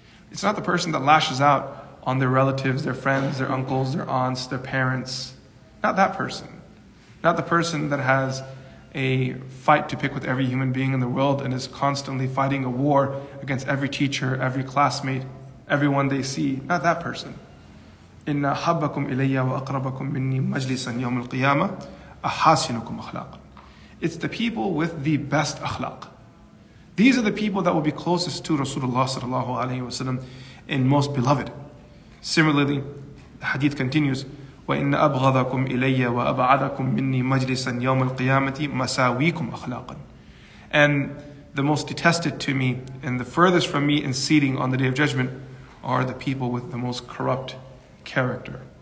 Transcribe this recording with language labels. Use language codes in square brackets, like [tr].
[en] It's not the person that lashes out on their relatives, their friends, their uncles, their aunts, their parents. Not that person. Not the person that has a fight to pick with every human being in the world and is constantly fighting a war against every teacher, every classmate, everyone they see. Not that person. [ar] إِنَّ حَبَّكُمْ إِلَيَّ وَأَقْرَبَكُمْ مِنِّي مَجْلِسًا يَوْمِ الْقِيَامَةِ أَحَاسِنُكُمْ أَخْلَاقًا, [en] it's the people with the best akhlaq. These are the people that will be closest to Rasulullah sallallahu alayhi wasallam and most beloved. Similarly, the hadith continues, [ar] وَإِنَّ أَبْغَضَكُمْ إِلَيَّ وَأَبْعَدَكُمْ مِنِّي مَجْلِسًا يَوْمَ الْقِيَامَةِ مَسَاوِيكُمْ أَخْلَاقًا, [en] and the most detested to me and the furthest from me in seating on the Day of Judgment are the people with the most corrupt character.